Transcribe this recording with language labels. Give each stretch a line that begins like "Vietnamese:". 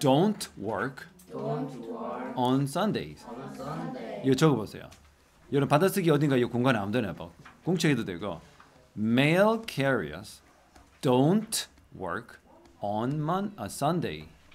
English: Mail carriers don't work on Sundays.
Korean: 이거 적어보세요. 여러분, 받아쓰기 어딘가 이 공간에 아무데나 해봐. 공책에도 되고.
English: Mail carriers don't work on Sunday.